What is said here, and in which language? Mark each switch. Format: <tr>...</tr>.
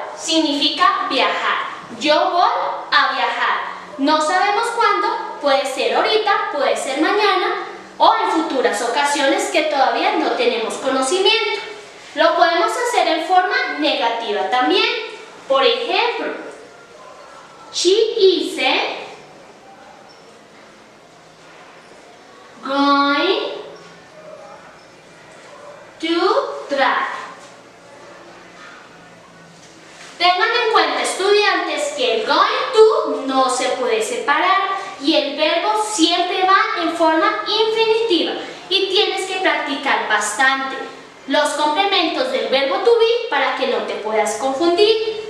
<es>Significa viajar. Yo voy a viajar. No sabemos cuándo. Puede ser ahorita, puede ser mañana o en futuras ocasiones que todavía no tenemos conocimiento. Lo podemos hacer en forma negativa también. Por ejemplo,</es> <en>she is going to try.</en> <es>Tengan en cuenta, estudiantes, que el going to no se puede separar y el verbo siempre va en forma infinitiva y tienes que practicar bastante los complementos del verbo to be para que no te puedas confundir.</es>